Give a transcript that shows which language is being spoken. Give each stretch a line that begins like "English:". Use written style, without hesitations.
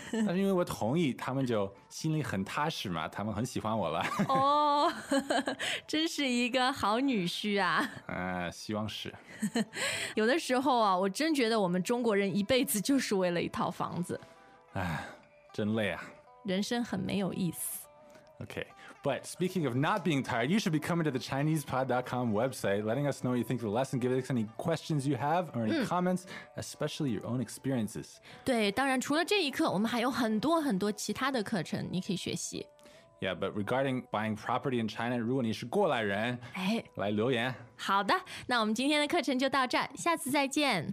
Chinese: 但是因为我同意，他们就心里很踏实嘛，他们很喜欢我了。哦，真是一个好女婿啊。希望是。有的时候啊，我真觉得我们中国人一辈子就是为了一套房子。哎，真累啊。人生很没有意思。
English: Okay, but speaking of not being tired, you should be coming to the ChinesePod.com website, letting us know what you think of the lesson, give us any questions you have or any comments, especially your own experiences.
Chinese: 对，当然除了这一课，我们还有很多很多其他的课程你可以学习。
English: Yeah, but regarding buying property in China,
Chinese: 如果你是过来人，来留言。好的，那我们今天的课程就到这儿，下次再见。